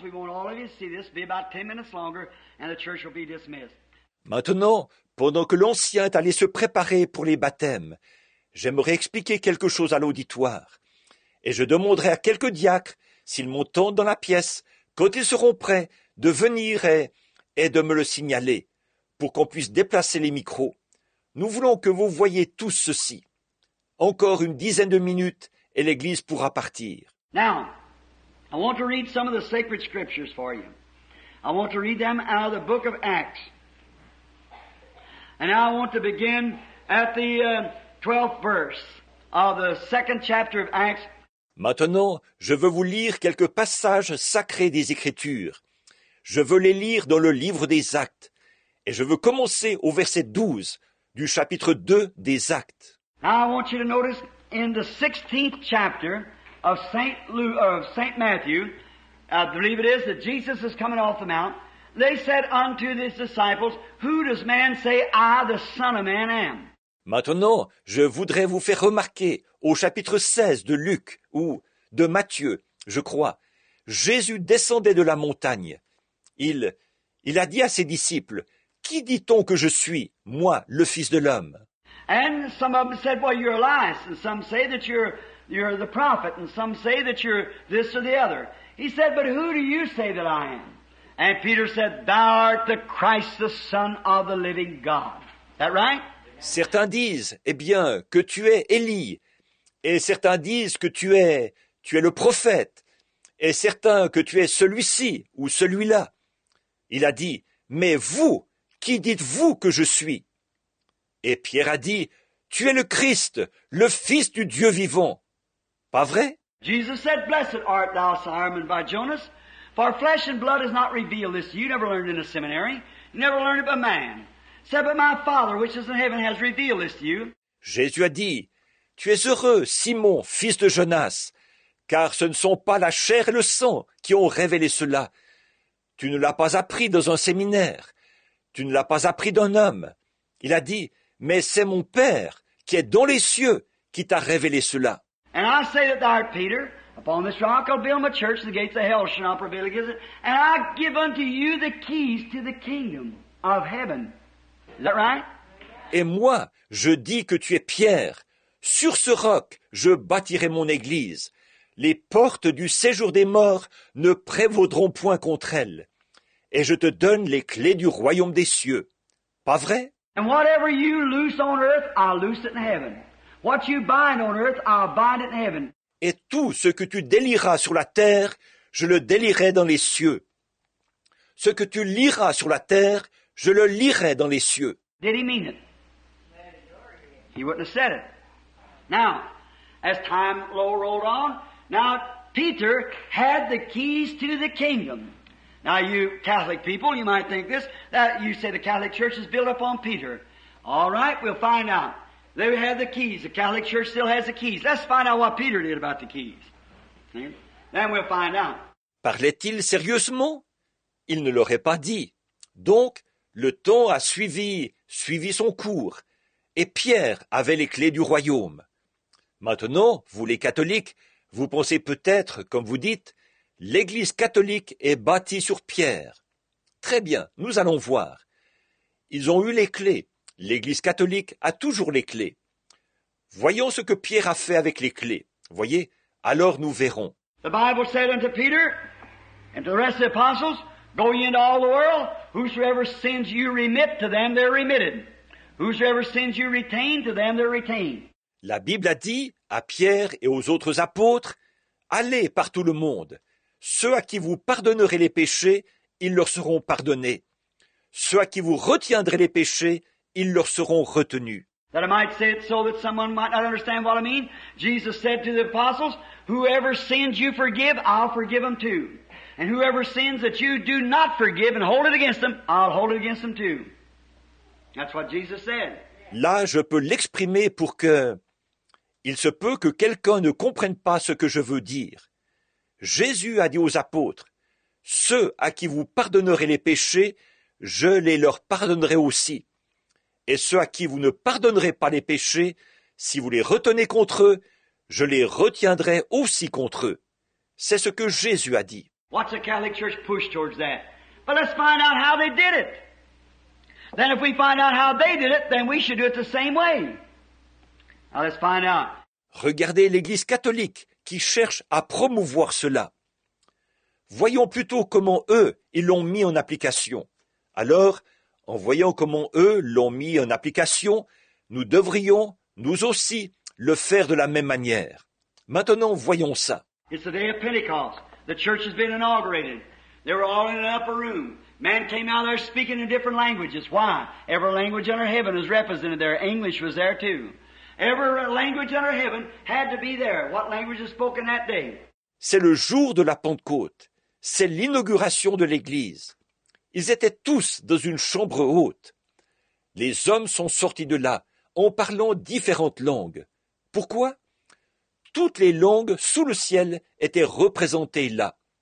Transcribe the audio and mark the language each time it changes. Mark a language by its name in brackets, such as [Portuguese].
[English] We want all of you to see this. Be about 10 minutes longer and the church will be dismissed. [French] Maintenant, pendant que l'ancien est allé se préparer pour les baptêmes, j'aimerais expliquer quelque chose à l'auditoire. Et je demanderai à quelques diacres, s'ils m'entendent dans la pièce, quand ils seront prêts, de venir et de me le signaler pour qu'on puisse déplacer les micros. Nous voulons que vous voyez tous ceci. Encore une dizaine de minutes et l'église pourra partir. [English] Now, I want to read some of the sacred scriptures for you. I want to read them out of the book of Acts. And I want to begin at the 12th verse of the second chapter of Acts. [French] Maintenant, je veux vous lire quelques passages sacrés des Écritures. Je veux les lire dans le livre des Actes. Et je veux commencer au verset 12 du chapitre 2 des Actes. [English] Now, I want you to notice in the 16th chapter of Saint Matthew, I believe it is, that Jesus is coming off the mount. They said unto his disciples, Who does man say I, the Son of Man, am? [French] Maintenant, je voudrais vous faire remarquer au chapitre 16 de Luc, ou de Matthieu, je crois. Jésus descendait de la montagne. Il a dit à ses disciples, Qui dit-on que je suis, moi, le Fils de l'homme? [English] And some of them said, Well, you're Elias, and some say that you're the prophet, and some say that you're this or the other. He said, But who do you say that I am? And Peter said, Thou art the Christ, the Son of the living God. Is that right? [French] Certains disent, eh bien, que tu es Élie, et certains disent que tu es le prophète, et certains que tu es celui-ci ou celui-là. Il a dit, Mais vous, qui dites-vous que je suis? Et Pierre a dit, Tu es le Christ, le Fils du Dieu vivant. Pas vrai? [English] Jesus said, Blessed art thou, Simon by Jonas, for flesh and blood has not revealed this. You never learned in a seminary, you never learned it by man. Said, But my Father, which is in heaven, has revealed this to you. [French] Jésus a dit, Tu es heureux, Simon, fils de Jonas, car ce ne sont pas la chair et le sang qui ont révélé cela. Tu ne l'as pas appris dans un séminaire, tu ne l'as pas appris d'un homme. Il a dit, Mais c'est mon Père qui est dans les cieux qui t'a révélé cela. [English] And I say that thou art Peter, upon this rock I'll build my church, and the gates of hell shall not prevail against it. And I give unto you the keys to the kingdom of heaven. Is that right? [French] Et moi, je dis que tu es Pierre. Sur ce roc, je bâtirai mon église. Les portes du séjour des morts ne prévaudront point contre elle. Et je te donne les clés du royaume des cieux. Pas vrai? [English] And whatever you loose on earth, I'll loose it in heaven. What you bind on earth, I'll bind it in heaven. [French] Et tout ce que tu délieras sur la terre, je le délierai dans les cieux. Ce que tu liras sur la terre, je le lirai dans les cieux. [English] Did he mean it? He wouldn't have said it. Now, as time rolled on, now Peter had the keys to the kingdom. Now you Catholic people, you might think this, that you say the Catholic Church is built upon Peter. All right, we'll find out. They have the keys. The Catholic Church still has the keys. Let's find out what Peter did about the keys. Then we'll find out. [French] Parlait-il sérieusement? Il ne l'aurait pas dit. Donc, le temps a suivi son cours, et Pierre avait les clés du royaume. Maintenant, vous les catholiques, vous pensez peut-être, comme vous dites, L'Église catholique est bâtie sur pierre. Très bien, nous allons voir. Ils ont eu les clés. L'Église catholique a toujours les clés. Voyons ce que Pierre a fait avec les clés. Voyez, alors nous verrons. [English] The Bible said unto Peter and to the rest of the apostles, go ye into all the world, whosoever sins you remit to them, they're remitted. Whosoever sins you retain to them, they're retained. [French] La Bible a dit à Pierre et aux autres apôtres, allez par tout le monde. Ceux à qui vous pardonnerez les péchés, ils leur seront pardonnés. Ceux à qui vous retiendrez les péchés, ils leur seront retenus. [English] That I might say it so that someone might not understand what I mean. Jesus said to the apostles, whoever sins you forgive, I'll forgive them too. And whoever sins that you do not forgive and hold it against them, I'll hold it against them too. That's what Jesus said. [French] Là, je peux l'exprimer pour que... Il se peut que quelqu'un ne comprenne pas ce que je veux dire. Jésus a dit aux apôtres, « Ceux à qui vous pardonnerez les péchés, je les leur pardonnerai aussi. Et ceux à qui vous ne pardonnerez pas les péchés, si vous les retenez contre eux, je les retiendrai aussi contre eux. » C'est ce que Jésus a dit. [English] What's the Catholic Church push towards that? But let's find out how they did it. Then if we find out how they did it, then we should do it the same way. Now let's find out. [French] Regardez l'Église catholique qui cherche à promouvoir cela. Voyons plutôt comment eux, ils l'ont mis en application. Alors, en voyant comment eux l'ont mis en application, nous devrions, nous aussi, le faire de la même manière. Maintenant, voyons ça. [English] It's the day of Pentecost. The church has been inaugurated. They were all in an upper room. Man came out there speaking in different languages. Why? Every language under heaven is represented there. English was there too. Every language under heaven had to be there. What language is spoken that day? [French] C'est le jour de la Pentecôte. C'est l'inauguration de l'Église. Ils étaient tous dans une chambre haute. Les hommes sont sortis de là en parlant différentes langues. Pourquoi? Toutes les langues sous le ciel étaient représentées là.